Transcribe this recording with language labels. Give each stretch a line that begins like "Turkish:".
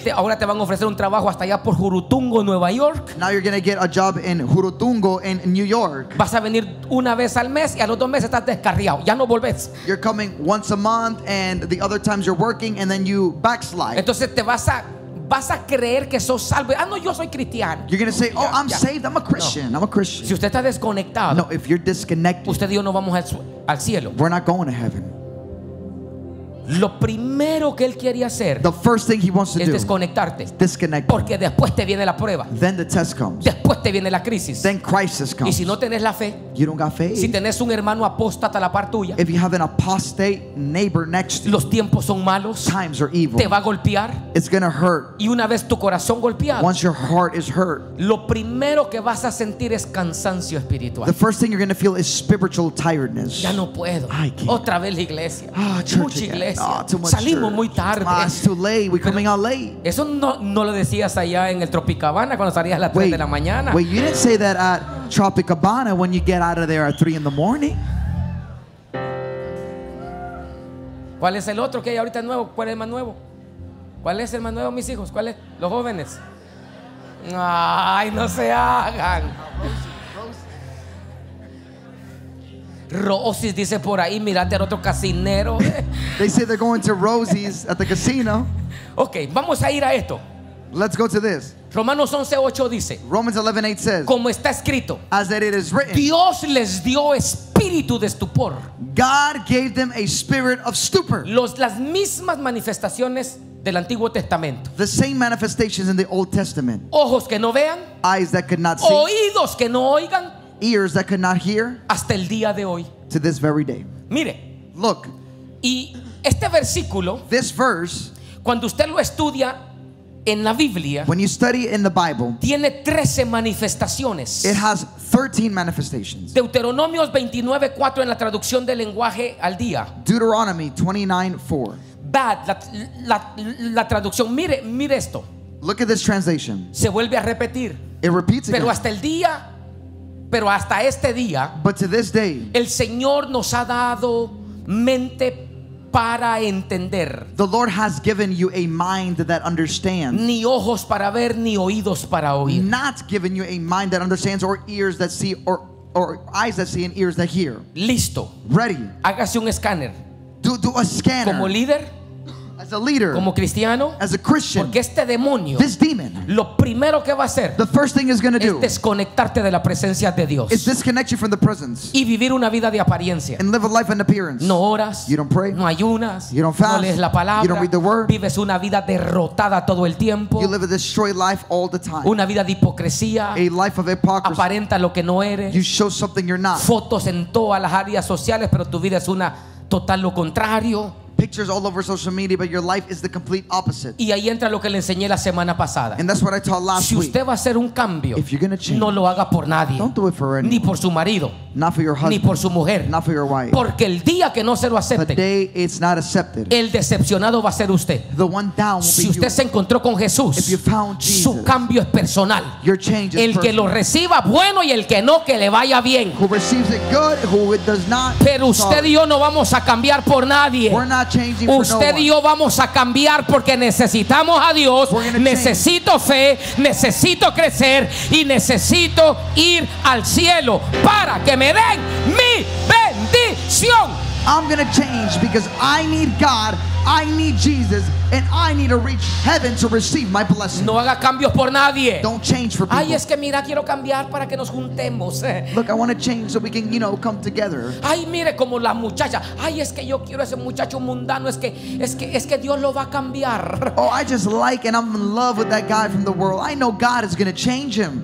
Spanish: Ahora te van a ofrecer un trabajo hasta allá por Jurutungo, Nueva York.
English: Now you're going to get a job in Jurutungo in New York.
Spanish: Vas a venir una vez al mes y a los dos meses estás descarriado. Ya no volvés.
English: You're coming once a month and the other times you're working and then you backslide.
Spanish: Entonces te vas a creer que sos salvo. Ah, no, yo soy cristiano.
English: You're going to say, oh, I'm saved. I'm a Christian. No. I'm a Christian.
Spanish: Si usted está desconectado.
English: No, if you're disconnected.
Spanish: Usted y yo no vamos al cielo.
English: We're not going to heaven.
Spanish: Lo primero que él quiere hacer es desconectarte,
English: disconnect,
Spanish: porque después te viene la prueba,
English: then the test comes,
Spanish: después te viene la crisis,
English: then crisis comes.
Spanish: Y si no tenés la fe,
English: you don't got faith,
Spanish: si tenés un hermano apóstata a la par tuya,
English: if you have an apostate neighbor next to you,
Spanish: los tiempos son malos,
English: times are evil,
Spanish: te va a golpear,
English: it's gonna hurt,
Spanish: y una vez tu corazón golpeado,
English: once your heart is hurt,
Spanish: lo primero que vas a sentir es cansancio espiritual.
English: The first thing you're gonna feel is spiritual tiredness.
Spanish: Ya no puedo.
English: I can't.
Spanish: Otra vez la iglesia.
English: Oh, church.
Spanish: Mucha iglesia.
English: Oh, too much.
Spanish: Salimos
English: church
Spanish: muy tarde.
English: Oh, it's too late. We're coming out late.
Spanish: Eso no lo decías allá en el Tropicabana cuando salías a las 3 de la mañana.
English: Wait, you didn't say that at Tropicabana when you get out of there at 3 in the morning.
Spanish: ¿Cuál es el otro que hay ahorita nuevo? ¿Cuál es el más nuevo? ¿Cuál es el más nuevo, mis hijos? ¿Cuál es? Los jóvenes. Ay, no se hagan. Rosie's dice por ahí, mirate al otro casinero.
English: They say they're going to Rosie's at the casino.
Spanish: Okay, vamos a ir a esto.
English: Let's go to this.
Spanish: Romanos 11:8 dice.
English: Romans 11:8 says.
Spanish: Como está escrito.
English: As that it is written.
Spanish: Dios les dio espíritu de estupor.
English: God gave them a spirit of stupor.
Spanish: Las mismas manifestaciones del Antiguo Testamento.
English: The same manifestations in the Old Testament.
Spanish: Ojos que no vean.
English: Eyes that could not see.
Spanish: Oídos que no oigan.
English: Ears that could not hear.
Spanish: Hasta el día de hoy.
English: To this very day.
Spanish: Mire.
English: Look.
Spanish: Y este versículo.
English: This verse.
Spanish: Cuando usted lo estudia en la Biblia.
English: When you study in the Bible.
Spanish: Tiene 13 manifestaciones.
English: It has 13 manifestations.
Spanish: Deuteronomios 29:4 en la traducción del lenguaje al día.
English: Deuteronomy 29:4.
Spanish: Bad. La traducción. Mire esto.
English: Look at this translation.
Spanish: Se vuelve a repetir.
English: It repeats again.
Spanish: Pero hasta el día. Pero hasta este día,
English: but to this day,
Spanish: el Señor nos ha dado mente para entender.
English: The Lord has given you a mind that understands.
Spanish: Ni ojos para ver, ni oídos para oír.
English: Not given you a mind that understands, or ears that see, or eyes that see, and ears that hear.
Spanish: Listo.
English: Ready.
Spanish: Hágase un escáner.
English: Do a scanner.
Spanish: Como líder.
English: A a leader,
Spanish: como cristiano,
English: as a Christian,
Spanish: porque este demonio,
English: this demon,
Spanish: lo primero que va a hacer,
English: the first thing is going to do,
Spanish: es desconectarte de la presencia de Dios,
English: is disconnect you from the presence,
Spanish: y vivir una vida de apariencia,
English: and live a life in appearance.
Spanish: No oras,
English: you don't pray,
Spanish: no ayunas,
English: you don't fast,
Spanish: no lees la palabra,
English: you don't read the word,
Spanish: vives una vida derrotada todo el tiempo,
English: you live a destroyed life all the time,
Spanish: una vida de hipocresía,
English: a life of hypocrisy,
Spanish: aparenta lo que no eres,
English: you show something you're not,
Spanish: fotos en todas las áreas sociales, pero tu vida es una total lo contrario.
English: Pictures all over social media, but your life is the complete opposite.
Spanish: Y ahí entra lo que le enseñé la semana pasada.
English: And that's what I taught last week.
Spanish: Si usted va a hacer un cambio,
English: if you're going to change,
Spanish: no lo haga por nadie.
English: Don't do it for anyone.
Spanish: Ni por su marido.
English: Not for your husband.
Spanish: Ni por su mujer.
English: Not for your wife.
Spanish: Porque el día que no se lo acepte,
English: the day it's not accepted,
Spanish: el decepcionado va a ser usted.
English: The one down will be you.
Spanish: Si usted se encontró con Jesús,
English: if you found Jesus,
Spanish: su cambio es personal.
English: Your change is personal.
Spanish: El que lo reciba, bueno, y el que no, que le vaya bien.
English: Who receives it good, who it does not.
Spanish: Pero usted y yo no vamos a cambiar por nadie.
English: We're not changing.
Spanish: Usted
English: for no
Spanish: y yo vamos a cambiar porque necesitamos a Dios. Necesito
English: change.
Spanish: Fe, necesito crecer y necesito ir al cielo para que me den mi bendición.
English: I'm going to change because I need God, I need Jesus, and I need to reach heaven to receive my blessing.
Spanish: No haga cambios por nadie.
English: Don't change for people.
Spanish: Ay, es que mira, quiero cambiar para que nos juntemos.
English: Look, I want to change so we can, you know, come together.
Spanish: Ay, mire como la muchacha. Ay, es que yo quiero ese muchacho mundano. Es que Dios lo va a cambiar.
English: Oh, I just like and I'm in love with that guy from the world. I know God is going to change him.